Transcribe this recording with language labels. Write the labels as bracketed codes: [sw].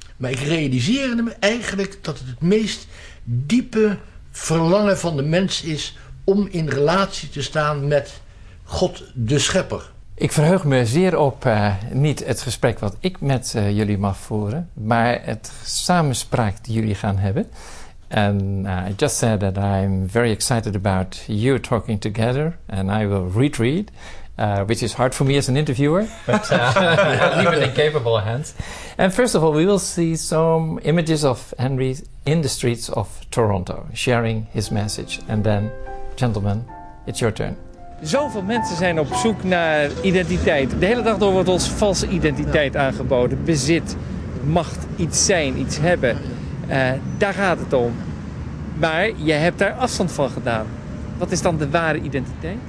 [nl] Maar ik realiseerde me eigenlijk dat het meest diepe verlangen van de mens is om in relatie te staan met God de Schepper. Ik verheug me zeer op niet het gesprek wat ik met jullie mag voeren, maar het samenspraak die jullie gaan hebben. [en] En I just said that I'm very excited about you talking together and I will retreat. Which is hard for me as an interviewer, but even in capable hands. And first of all, we will see some images of Henry in the streets of Toronto, sharing his message. And then, gentlemen, it's your turn. [nl] Zoveel mensen zijn op zoek naar identiteit. De hele dag door wordt ons valse identiteit aangeboden. Bezit, macht, iets zijn, iets hebben. Daar gaat het om. Maar je hebt daar afstand van gedaan. Wat is dan de ware identiteit?